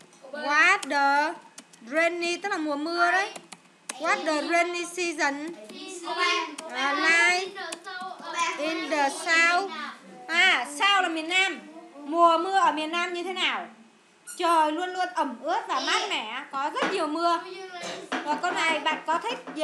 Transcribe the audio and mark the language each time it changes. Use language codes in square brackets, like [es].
[en] What the rainy, [vi] tức là mùa mưa đấy. [en] What the rainy season like in the south? [vi] À, south là miền Nam. Mùa mưa ở miền Nam như thế nào? Trời luôn luôn ẩm ướt và mát mẻ, có rất nhiều mưa. Rồi con này bạn có thích gì?